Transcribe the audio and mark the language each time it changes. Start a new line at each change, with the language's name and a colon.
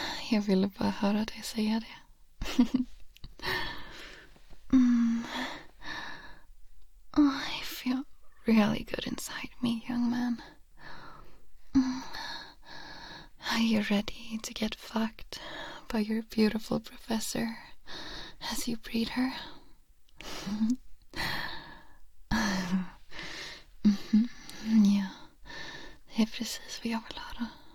Swedish: Jag ville bara höra dig säga det.
English: I feel really good inside me, young man. Are you ready to get fucked by your beautiful professor as you breed her?
Swedish: Ja, det är precis vad jag vill höra.